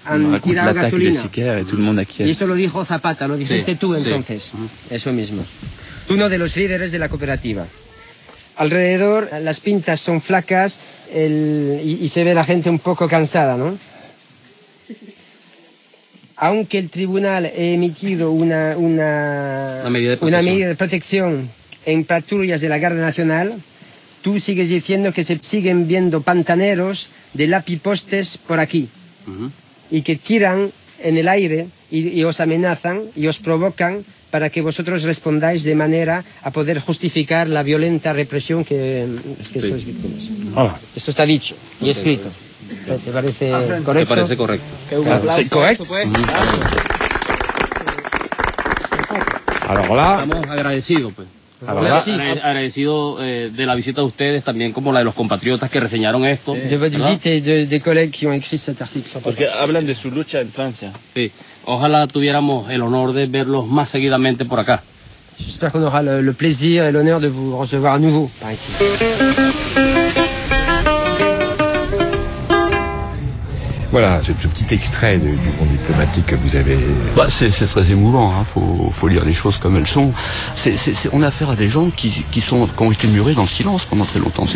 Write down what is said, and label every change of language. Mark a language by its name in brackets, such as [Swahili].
[French] raconte l'attaque des sicaires et tout le monde acquiesce. Et ça le dit Zapata, [Spanish] le dijiste tu, entonces. Eso mismo. Uno de los líderes de la cooperativa. Alrededor, las pintas son flacas y se ve la gente un poco cansada, ¿no? Aunque el tribunal ha emitido una medida de protección en patrullas de la Guardia Nacional, tú sigues diciendo que se siguen viendo pantaneros de lapipostes por aquí y que tiran en el aire y os amenazan y os provocan para que vosotros respondáis de manera a poder justificar la violenta represión que sí. Sois víctimas. Hola. Esto está dicho y escrito. ¿Te parece correcto? Me parece correcto. ¿Correcto? Pues. [French] Alors là, [Spanish] estamos agradecidos, pues. Agradecido de la visita de ustedes también como la de los compatriotas que reseñaron esto. [French] De votre visite y de collègues qui ont écrit cet article. [Spanish] Porque hablan de su lucha en Francia. Sí. Ojalá tuviéramos el honor de verlos más seguidamente por acá. [French] J'espère qu'on aura le plaisir et l'honneur de vous recevoir à nouveau par ici. Voilà, ce petit extrait du monde diplomatique que vous avez... Bah, c'est très émouvant, hein. Faut lire les choses comme elles sont. On a affaire à des gens qui ont été murés dans le silence pendant très longtemps.